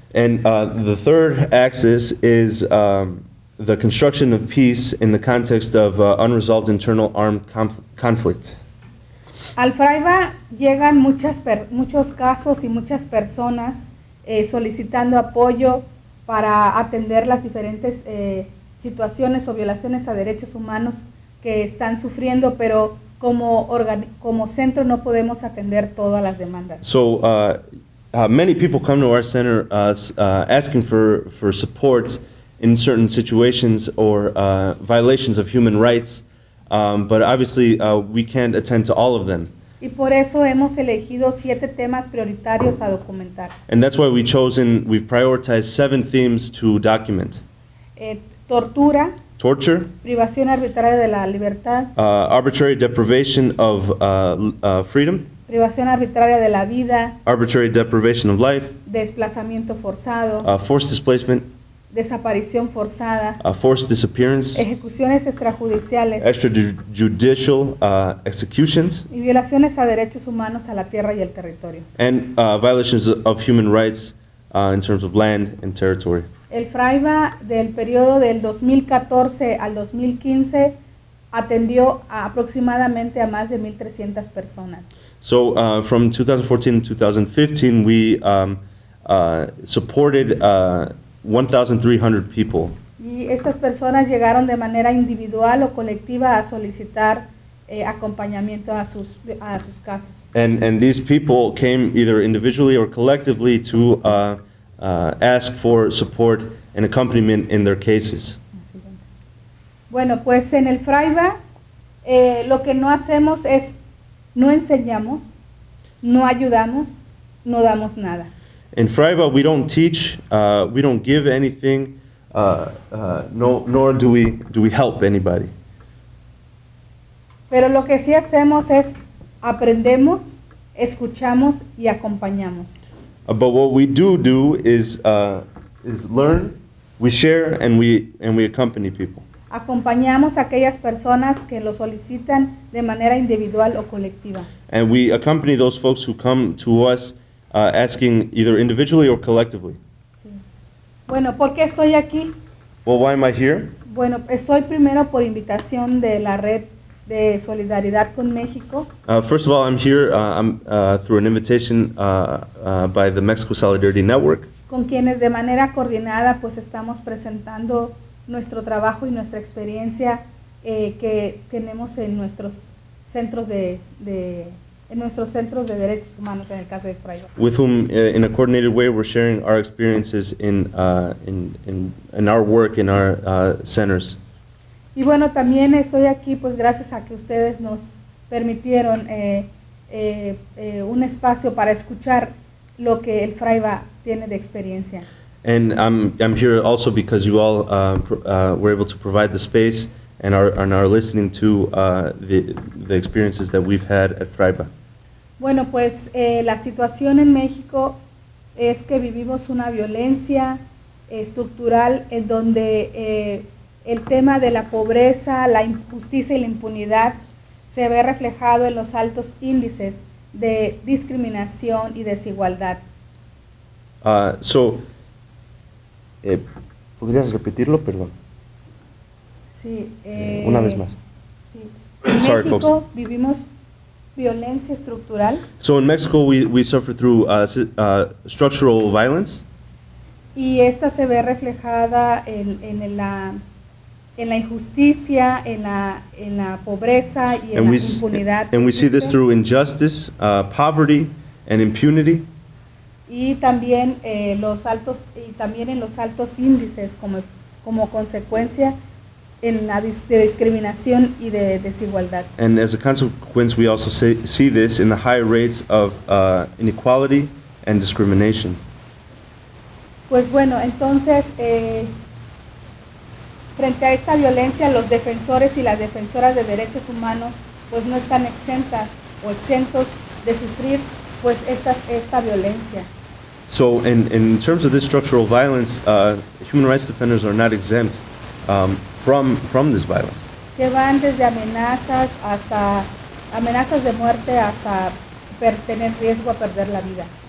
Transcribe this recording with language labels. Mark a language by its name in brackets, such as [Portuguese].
[English] And the third axis is the construction of peace in the context of unresolved internal armed conflict. [Spanish] Al Freiva llegan muchos casos y muchas personas solicitando apoyo para atender las diferentes situaciones o violaciones a derechos humanos que están sufriendo, pero como centro no podemos atender todas las demandas. [English] So many people come to our center asking for support in certain situations or violations of human rights, but obviously we can't attend to all of them. [Spanish] Y por eso hemos elegido 7 temas prioritarios a documentar. [English] And that's why we've prioritized 7 themes to document. [Spanish] Tortura. [English] Torture. [Spanish] Privación arbitraria de la libertad. [English] Arbitrary deprivation of freedom. [Spanish] Privación arbitraria de la vida. [English] Arbitrary deprivation of life. [Spanish] Desplazamiento forzado. [English] Forced displacement. [Spanish] Desaparición forzada. [English] Forced disappearance. [Spanish] Ejecuciones extrajudiciales. [English] Extrajudicial executions. [Spanish] Y violaciones a derechos humanos a la tierra y el territorio. [English] And violations of human rights in terms of land and territory. [Spanish] El Freiva del periodo del 2014 al 2015 atendió aproximadamente a más de 1,300 personas. [English] So from 2014 to 2015 we supported 1,300 people. [Spanish] Y estas personas llegaron de manera individual o colectiva a solicitar acompañamiento a sus casos. [English] And these people came either individually or collectively to ask for support and accompaniment in their cases. [Spanish] Bueno, pues en el Freiva lo que no hacemos es no enseñamos, no ayudamos, no damos nada. [English] In Freiva, we don't teach, we don't give anything, nor do we help anybody. [Spanish] Pero lo que sí hacemos es aprendemos, escuchamos y acompañamos. [English] But what we do is learn, we share, and we accompany people. [Spanish] Acompañamos a aquellas personas que lo solicitan de manera individual o colectiva. [English] And we accompany those folks who come to us asking either individually or collectively. [Spanish] Bueno, ¿por qué estoy aquí? [English] Well, why am I here? [Spanish] Bueno, estoy primero por invitación de la red de solidaridad con México. [English] First of all, I'm here through an invitation by the Mexico Solidarity Network. [Spanish] Con quienes de manera coordinada pues estamos presentando nuestro trabajo y nuestra experiencia que tenemos en nuestros centros de en nuestros centros de derechos humanos en el caso de Freiva. [English] With whom in a coordinated way we're sharing our experiences in our work in our centers. [Spanish] Y bueno, también estoy aquí pues gracias a que ustedes nos permitieron un espacio para escuchar lo que el Freiva tiene de experiencia. [English] And I'm here also because you all were able to provide the space and are listening to the experiences that we've had at Freiva. [Spanish] Bueno, pues la situación en México es que vivimos una violencia estructural en donde el tema de la pobreza, la injusticia y la impunidad se ve reflejado en los altos índices de discriminación y desigualdad. ¿Podrías repetirlo? Perdón. Sí. Una vez más. Sí. En [English] Sorry, [Spanish] México, [English] folks. [Spanish] Vivimos violencia estructural. [English] So in Mexico we suffer through structural violence. [Spanish] Y esta se ve reflejada en la injusticia, en la pobreza y en la impunidad. [English] And we see this through injustice, poverty and impunity. [Spanish] Y también en los altos índices como consecuencia en la de discriminación y de desigualdad. [English] And as a consequence, we also see this in the high rates of inequality and discrimination. [Spanish] Pues bueno, entonces, frente a esta violencia, los defensores y las defensoras de derechos humanos pues no están exentas o exentos de sufrir pues esta violencia. [English] So in terms of this structural violence, human rights defenders are not exempt from this violence. [Spanish] Que van desde amenazas hasta amenazas de muerte hasta tener riesgo a perder la vida.